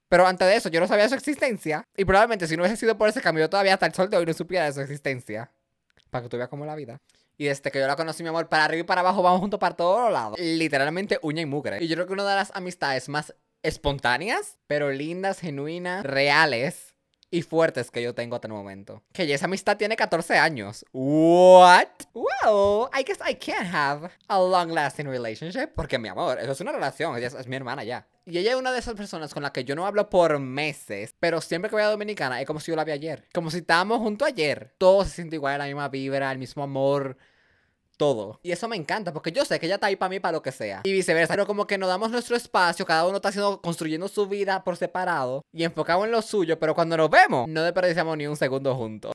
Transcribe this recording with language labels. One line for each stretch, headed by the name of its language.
Spanish: Pero antes de eso, yo no sabía de su existencia. Y probablemente si no hubiese sido por ese cambio, yo todavía hasta el sol de hoy no supiera de su existencia. Para que tú veas cómo es la vida. Y desde que yo la conocí, mi amor, para arriba y para abajo vamos juntos para todos lados. Literalmente uña y mugre. Y yo creo que una de las amistades más espontáneas, pero lindas, genuinas, reales y fuertes que yo tengo hasta el momento. Que ya esa amistad tiene 14 años.
English: What? Well, I guess I can't have a long lasting relationship.
Spanish: Porque mi amor, eso es una relación, ella es mi hermana ya. Y ella es una de esas personas con la que yo no hablo por meses, pero siempre que voy a Dominicana es como si yo la vi ayer. Como si estábamos juntos ayer. Todo se siente igual, la misma vibra, el mismo amor. Todo. Y eso me encanta, porque yo sé que ella está ahí para mí, para lo que sea. Y viceversa, pero como que nos damos nuestro espacio, cada uno está haciendo, construyendo su vida por separado y enfocado en lo suyo, pero cuando nos vemos, no desperdiciamos ni un segundo juntos.